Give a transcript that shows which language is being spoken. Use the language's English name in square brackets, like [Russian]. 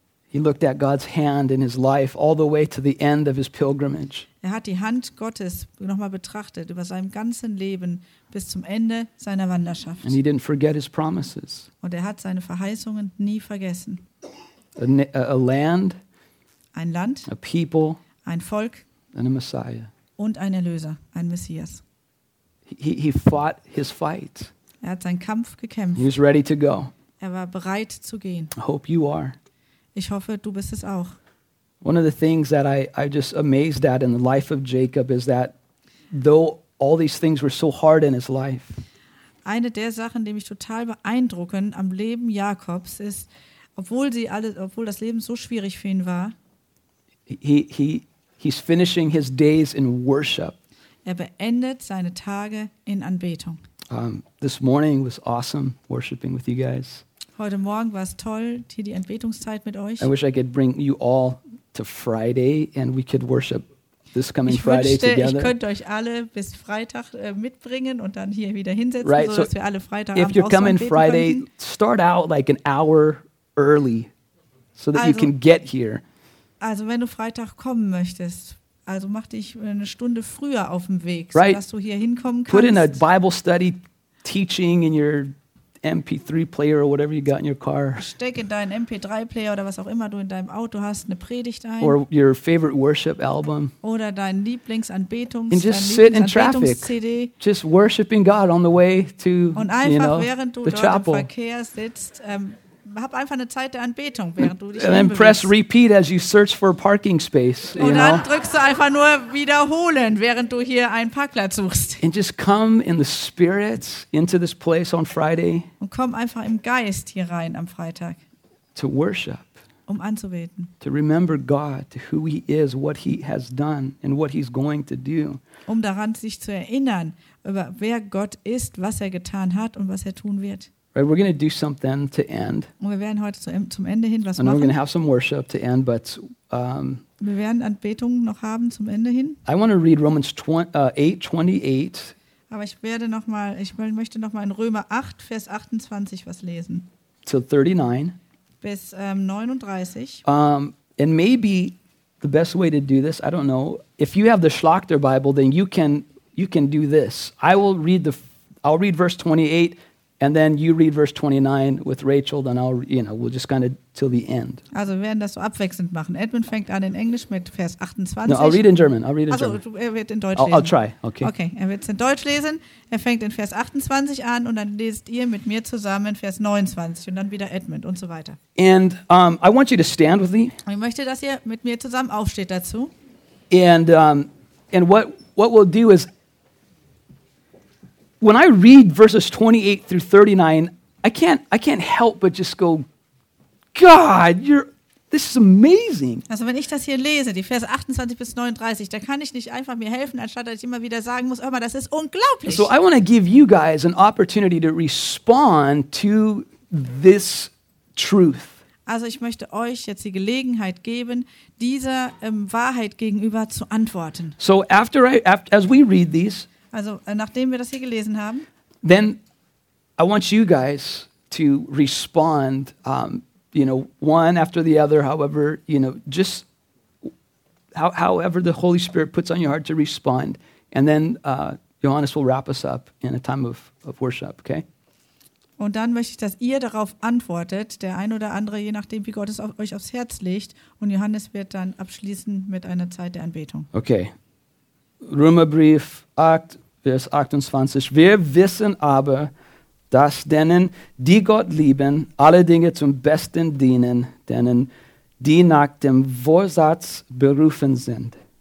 [English] He looked at God's hand in his life all the way to the end of his pilgrimage. [German] Er hat die Hand Gottes nochmal betrachtet über seinem ganzen Leben bis zum Ende seiner Wanderschaft. [English] And he didn't forget his promises. [German] Und er hat seine Verheißungen nie vergessen. [English] A land, [German] ein Land, [English] a people, [German] ein Volk, [English] and a Messiah. [German] Und ein Erlöser, ein Messias. [English] He fought his fight. [German] Er hat seinen Kampf gekämpft. [English] He was ready to go. [German] Er war bereit zu gehen. [English] I hope you are. [German] Ich hoffe, du bist es auch. [English] One of the things that I'm just amazed at in the life of Jacob is that though all these things were so hard in his life. [German] Eine der Sachen, die mich total beeindrucken am Leben Jakobs ist, obwohl das Leben so schwierig für ihn war. [English] He's finishing his days in worship. [German] Er beendet seine Tage in Anbetung. [English] This morning was awesome worshiping with you guys. [German] Heute Morgen war es toll, hier die Anbetungszeit mit euch. [English] I wish I could bring you all to Friday and we could worship this coming Friday together. [German] Ich könnte euch alle bis Freitag mitbringen und dann hier wieder hinsetzen, right, so dass wir alle Freitag [English] if you're coming Friday, start out like an hour early so that you can get here. [German] Also wenn du Freitag kommen möchtest, also mach dich eine Stunde früher auf dem Weg, right, so dass du hier hinkommen kannst. [English] Put in a Bible study teaching in your MP3 player or whatever you got in your car. [German] Steck in deinen MP3 Player oder was auch immer du in deinem Auto hast, eine Predigt ein. [English] Or your favorite worship album. [German] Oder deinen Lieblingsanbetungs-CD. [English] And just sit in traffic. Just worshiping God on the way to, [German] und einfach, [English] you know, [German] während du [English] the [German] dort [English] chapel. [German] Im Verkehr sitzt, hab einfach eine Zeit der Anbetung, während du dich umbewegst. [English] And then press repeat as you search for a parking space. [German] Und [English] you [German] dann [English] know? [German] Drückst du einfach nur wiederholen, während du hier einen Parkplatz suchst. [English] And just come in the spirit into this place on Friday. [German] Und komm einfach im Geist hier rein am Freitag. [English] To worship. [German] Um anzubeten. [English] To remember God, who He is, what He has done, and what He's going to do. [German] Um daran sich zu erinnern, über wer Gott ist, was er getan hat und was er tun wird. [English] Right, we're going to do something to end. [German] Und wir werden heute zum Ende hin was [English] and [German] machen. [English] We're going to have some worship to end, but [German] wir werden Anbetung noch haben zum Ende hin. [English] I want to read Romans 8:28. [German] Aber ich möchte noch mal in Römer 8 Vers 28 was lesen. [English] Till 39. [German] Bis 39. [English] And maybe the best way to do this, I don't know. If you have the Schlachter Bible, then you can do this. I'll read verse 28. And then you read verse 29 with Rachel, then I'll, you know, we'll just kind of till the end. [German] Also, wir werden das so abwechselnd machen. Edmund fängt an in Englisch mit Vers 28. [English] No, I'll read in German. I'll read in German. [German] Also, er wird in Deutsch lesen. [English] I'll try. Okay. [German] Okay, er wird es in Deutsch lesen. Er fängt in Vers 28 an und dann lest ihr mit mir zusammen Vers 29 und dann wieder Edmund und so weiter. [English] And I want you to stand with me. [German] Und ich möchte, dass ihr mit mir zusammen aufsteht dazu. [English] And what we'll do is, when I read verses 28 through 39, I can't help but just go, God, this is amazing. [German] Also wenn ich das hier lese, die Verse 28 bis 39, da kann ich nicht einfach mir helfen, anstatt dass ich immer wieder sagen muss, hör mal, das ist unglaublich. [English] So I want to give you guys an opportunity to respond to this truth. [German] Also ich möchte euch jetzt die Gelegenheit geben, dieser Wahrheit gegenüber zu antworten. [English] So as we read these, [German] also nachdem wir das hier gelesen haben, [English] then I want you guys to respond, you know, one after the other, however, you know, just however the Holy Spirit puts on your heart to respond, and then Johannes will wrap us up in a time of worship, okay? [German] Und dann möchte ich, dass ihr darauf antwortet, der ein oder andere, je nachdem, wie Gott es euch aufs Herz legt, und Johannes wird dann abschließen mit einer Zeit der Anbetung. Okay. Römerbrief 8, Vers 28. Wir wissen aber, dass denen, die Gott lieben, alle Dinge zum Besten dienen, denen, die nach dem Vorsatz berufen sind.